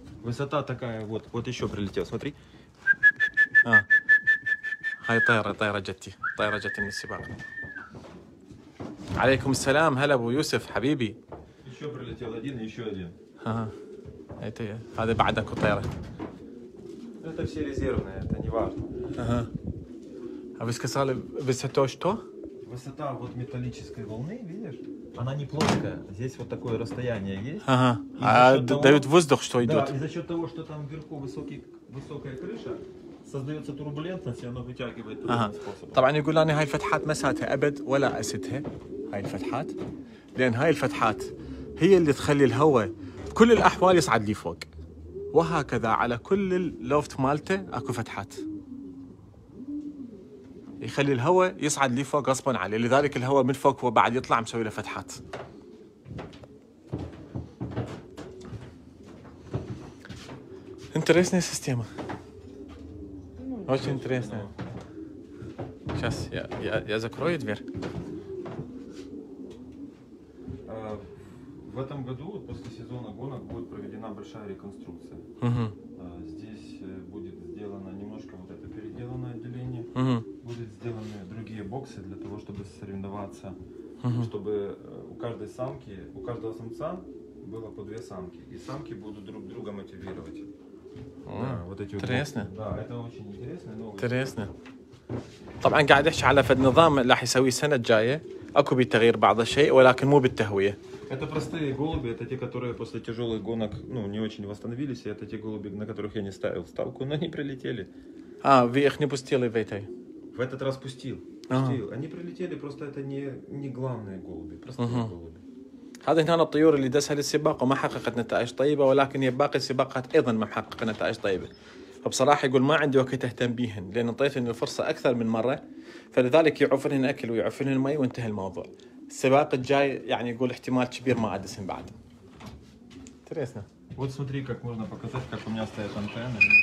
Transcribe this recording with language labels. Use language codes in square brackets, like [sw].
[ru] высота такая вот вот ещё прилетел смотри [ar] هاي طائرة جتي من السباق عليكم السلام هلا ابو يوسف حبيبي [ru] ещё прилетел один ещё один [ar] هذا بعدك الطائرة [ru] это все резервные это не важно а вы сказали высота что Высота вот металлической волны, видишь? Она не плоская. Здесь вот такое расстояние есть. Ага. Дают воздух, что идет. Да, и за счет того, что там вверху высокая крыша, создается турбулентность, и оно вытягивает другим способом. [ar] طبعا يقول أنا هاي الفتحات ما ساتها أبد ولا أستها هاي الفتحات لأن هاي الفتحات هي اللي تخلي الهواء كل الأحوال يصعد لي فوق وهكذا على كل اللوفت مالته أكو فتحات. يخلي الهواء يصعد لي فوق غصبا عليه لذلك الهواء من فوق هو بعد يطلع مسوي له فتحات انتريسني سيستيما [ru] очень интересно сейчас я закрою дверь в этом году после сезона гонок будет проведена большая реконструкция здесь будет сделано немножко вот это переделанное отделение будут сделаны другие боксы для того, чтобы соревноваться, чтобы у каждого самца было по две самки, и самки будут друг друга мотивировать. Вот эти интересно. Да, это очень интересно. Интересно. [ar] طبعا قاعد احكي على فد نظام اللي حيسويه السنه الجايه اكو بي تغيير بعض الشيء ولكن مو بالتهويه [ru] это простые голуби это те которые после тяжёлых гонок ну не очень восстановились и это те голуби на которых я не ставил ставку но они прилетели а вы их не пустили в этой в этот раз пустил они прилетели просто это не главные голуби простые голуби [ar] هذه هنا الطيور اللي دسها للسباق وما حققت نتائج طيبة، ولكن باقي السباقات أيضا ما حققت نتائج طيبة. فبصراحة يقول ما عندي وقت أهتم بيهن لأن أعطيتهن الفرصة أكثر من مرة، فلذلك يعفنهن أكل ويعفنهن مي وانتهى الموضوع. السباق الجاي يعني يقول احتمال كبير ما أدسهن بعد. تريسنا. [ru] Вот смотри, как можно показать, как у меня стоят антенны.